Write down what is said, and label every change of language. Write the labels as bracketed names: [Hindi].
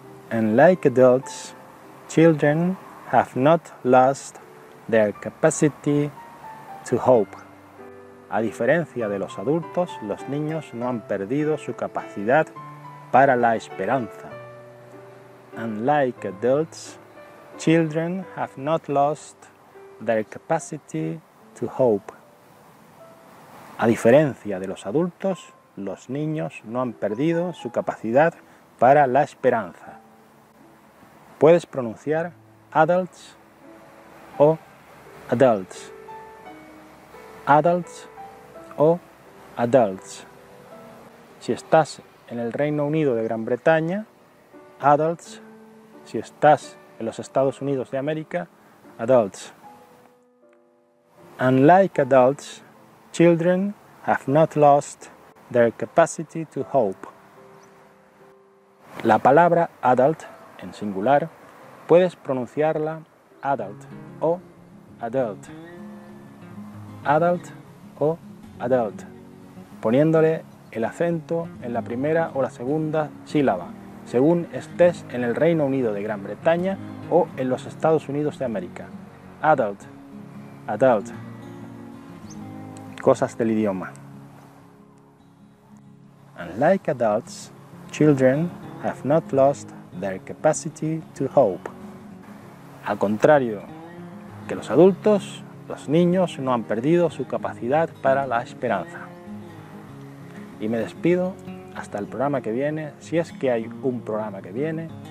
[English] And like adults, children have not lost their capacity to hope. [Spanish] A diferencia de los adultos, los niños no han perdido su capacidad para la esperanza. [English] Unlike adults, children have not lost their capacity to hope. [Spanish] A diferencia de los adultos, los niños no han perdido su capacidad para la esperanza. Puedes pronunciar adults o adults. Adults o adults. Si estás en el Reino Unido de Gran Bretaña, adults. Si estás en los Estados Unidos de América, adults. [English] Unlike adults, children have not lost their capacity to hope. [Spanish] La palabra adult, en singular, puedes pronunciarla adult o adult. Adult o adult, poniéndole el acento en la primera o la segunda sílaba, según estés en el Reino Unido de Gran Bretaña o en los Estados Unidos de América. Adult, adult. Cosas del idioma. [English] Unlike adults, children have not lost their capacity to hope. [Spanish] Al contrario que los adultos, los niños no han perdido su capacidad para la esperanza. Y me despido hasta el programa que viene, si es que hay un programa que viene.